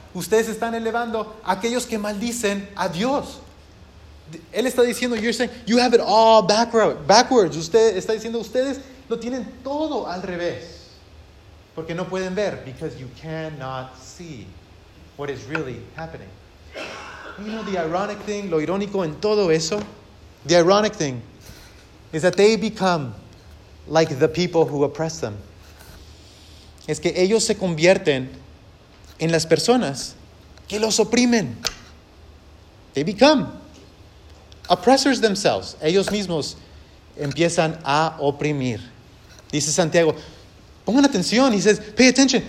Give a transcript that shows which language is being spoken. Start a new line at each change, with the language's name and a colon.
Spanish: Ustedes están elevando aquellos que maldicen a Dios. Él está diciendo,
English: you're saying, you have it all backwards.
Spanish: Usted está diciendo, ustedes lo tienen todo al revés. Porque no pueden ver,
English: because you cannot see what is really happening. You know the ironic thing,
Spanish: lo irónico en todo eso,
English: the ironic thing is that they become like the people who oppress them.
Spanish: Es que ellos se convierten en las personas que los oprimen.
English: They become oppressors themselves.
Spanish: Ellos mismos empiezan a oprimir. Dice Santiago, Pongan atención.
English: He says, pay attention.